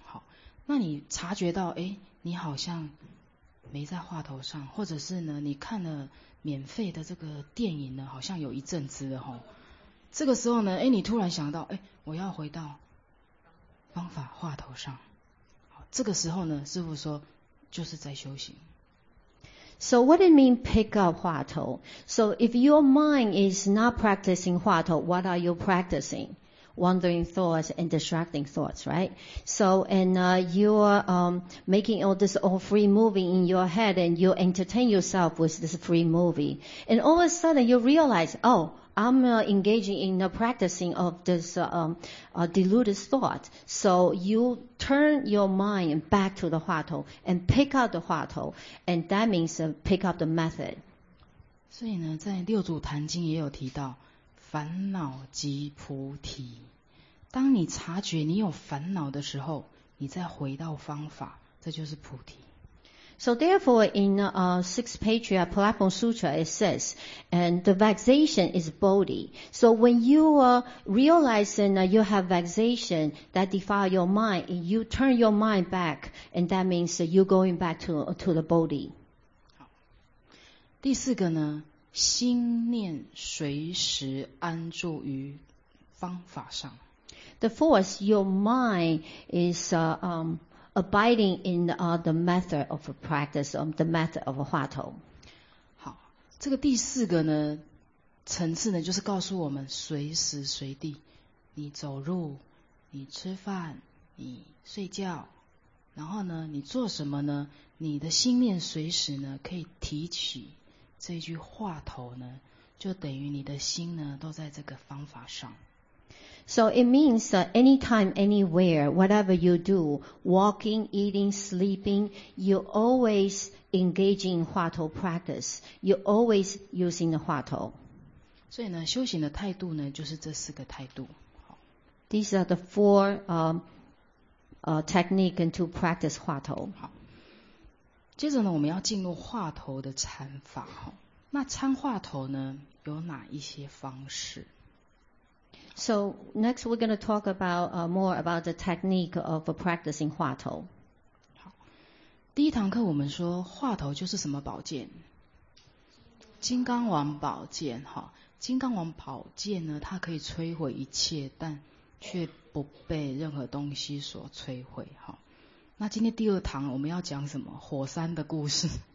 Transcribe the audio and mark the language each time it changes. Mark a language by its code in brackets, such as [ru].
[zh] 好，那你察觉到，哎，你好像没在话头上，或者是呢，你看了免费的这个电影呢，好像有一阵子了哈。这个时候呢，哎，你突然想到，哎，我要回到方法话头上。这个时候呢，师父说，就是在修行。 [en] So what it mean pick up 话头? So if your mind is not practicing 话头, what are you practicing? Wandering thoughts and distracting thoughts, right? So and you're making all this all free movie in your head, and you entertain yourself with this free movie, and all of a sudden you realize, oh. I'm engaging in the practicing of this deluded thought. So you turn your mind back to the 话头 and pick up the 话头, and that means pick up the method. [zh] 所以呢，在六祖坛经也有提到，烦恼即菩提。当你察觉你有烦恼的时候，你再回到方法，这就是菩提。 [en] So therefore, in sixth patriarch platform sutra, it says, and the vexation is bodhi. So when you are realizing that you have vexation that defile your mind, you turn your mind back, and that means you're going back to the bodhi. [zh] 第四个呢，心念随时安住于方法上。 [en] The fourth, your mind is abiding in the method of practice, the method of 话头. [zh] 好，这个第四个呢层次呢，就是告诉我们随时随地，你走路，你吃饭，你睡觉，然后呢你做什么呢，你的心念随时呢可以提起这句话头呢，就等于你的心呢都在这个方法上。 [en] So it means that anytime, anywhere, whatever you do, walking, eating, sleeping, you're always engaging in 话头 practice. You're always using the 话头。 [zh] 所以呢，修行的态度呢，就是这四个态度。 [en] These are the four technique and to practice 话头。 [zh] 好，接着呢，我们要进入话头的禅法。那参话头呢，有哪一些方式？ [en] So next we're going to talk about more about the technique of practicing 话头。 [zh] 好，第一堂课我们说话头就是什么宝剑？金刚王宝剑。哈，金刚王宝剑呢，它可以摧毁一切，但却不被任何东西所摧毁。哈，那今天第二堂我们要讲什么？火山的故事。